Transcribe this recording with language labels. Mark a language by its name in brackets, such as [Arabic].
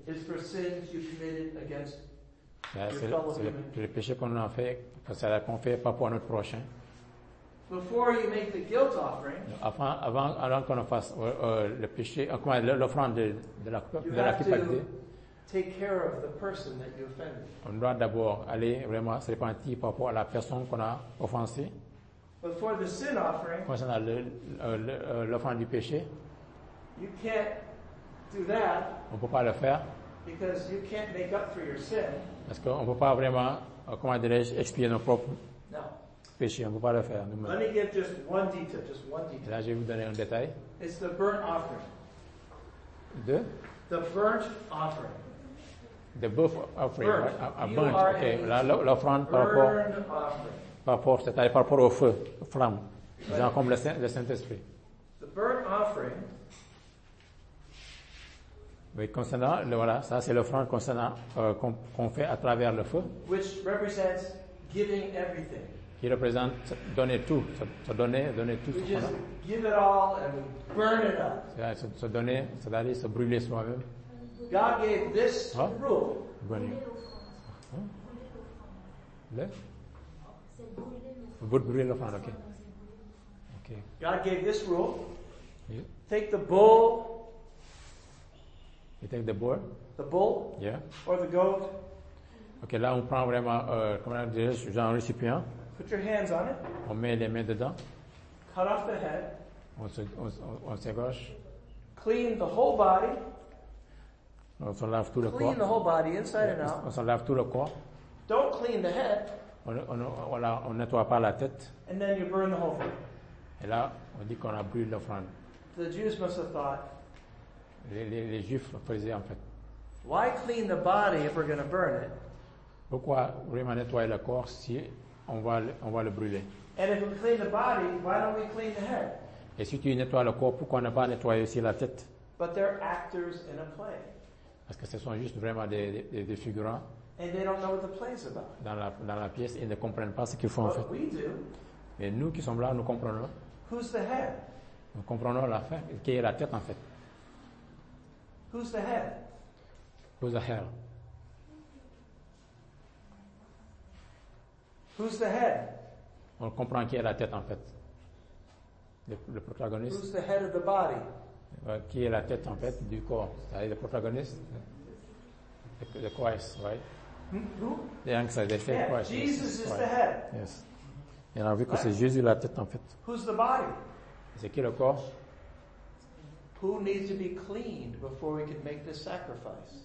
[English] Is for sins you committed against your fellow human. [French] Le péché qu'on a fait, qu'on fait par rapport à notre prochain. [English] Before you make the guilt offering, [French] avant qu'on fasse le péché, l'offrande de la culpabilité, [English] take care of the person that you offended. [French] On doit d'abord aller vraiment se repentir par rapport à la personne qu'on a offensée. [English] Before the sin offering, [French] concernant l'offrande du péché, [English] you can't do that. [French] On peut pas le faire. [English] Because you can't make up for your sin. [French] Parce qu'on peut pas vraiment, comment dirais-je, expier nos propres. [English] No. [French] Péché, on ne peut pas le faire. [English] Let me give just one detail. [French] Là, je vais vous donner un détail. [English] It's the burnt offering. [French] De? [English] The burnt offering. The burnt offering. Burnt. Burnt. Okay. [French] L'offrande par rapport au feu, aux flammes. But genre comme le Saint-Esprit. [English] The burnt offering. [French] Mais concernant, voilà, ça c'est l'offrande concernant qu'on fait à travers le feu. [English] Which represents giving everything. [French] Qui représente donner tout, se donner tout. [English] We just give it all and burn it up. [French] Se donner, c'est-à-dire se brûler soi-même. [English] God gave this rule. [French] Brûler. Le? Vous brûlez l'offrande, ok. [English] God gave this rule. Take the bull. You take the bull. The bull. Yeah. Or the goat. [French] Ok, là on prend vraiment, comment dire, genre un récipient. [English] Put your hands on it. [French] On met les mains dedans. [English] Cut off the head. [French] On s'égorge. [English] Clean the whole body. [French] On s'en lave tout [English] clean [French] le corps. [English] Clean the whole body inside and out. [French] On s'en lave tout le corps. [English] Don't clean the head. [French] On nettoie pas la tête. [English] And then you burn the whole thing. [French] Et là, on dit qu'on a brûlé l'offrande. [English] The Jews must have thought. [French] Les Juifs faisaient en fait. [English] Why clean the body if we're going to burn it? [French] Pourquoi vraiment nettoyer le corps si on va le brûler. [English] And if we clean the body, why don't we clean the head? [French] Et si tu nettoies le corps, pourquoi ne pas nettoyer aussi la tête? [English] But they're actors in a play. [French] Parce que ce sont juste vraiment des figurants. [English] And they don't know what the play's about. [French] Dans la pièce, ils ne comprennent pas ce qu'ils font [English] but [French] en fait. [English] We do. [French] Mais nous qui sommes là, nous comprenons. [English] Who's the head? [French] Nous comprenons la fin, qui est la tête en fait. [English] Who's the head? Who's the head? Who's the head? [French] On comprend qui est la tête en fait. Le protagoniste. [English] Who's the head of the body? [French] Qui est la tête en fait du corps? C'est-à-dire le protagoniste. [English] The Christ, right? Who? The answer, the head. Christ. Jesus yes. Is right. The head. Yes. [French] Et on a vu que c'est Jésus la tête en fait. [English] Who's the body? [French] C'est qui le corps? [English] Who needs to be cleaned before we can make this sacrifice?